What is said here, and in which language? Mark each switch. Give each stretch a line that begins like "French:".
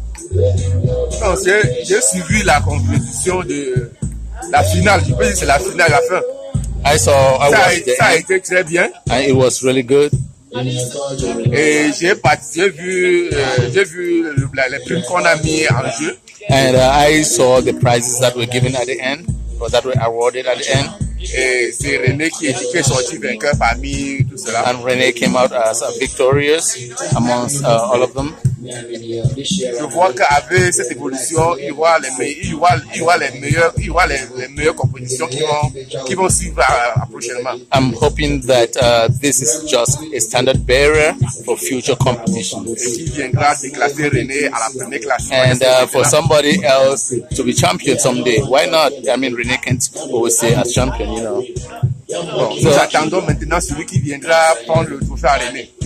French: Non, j'ai suivi la compétition de la finale. Je peux dire c'est la finale à faire. Ça a été très bien.
English: And it was really good.
French: Et j'ai vu les primes qu'on a mis en jeu.
English: And I saw the prizes that were given at the end, or that were awarded at the end.
French: Et c'est René qui est sorti vainqueur parmi tout cela.
English: And René came out as victorious amongst all of them.
French: Je vois qu'avec cette évolution, il y aura les meilleures compositions qui vont suivre prochainement.
English: I'm hoping that this is just a standard bearer for future competitions.
French: Et qui viendra déclasser René à la première classe.
English: And for somebody else to be champion someday, why not? I mean, René can't always stay as champion, you know.
French: Bon, nous attendons maintenant celui qui viendra prendre le trophée à René.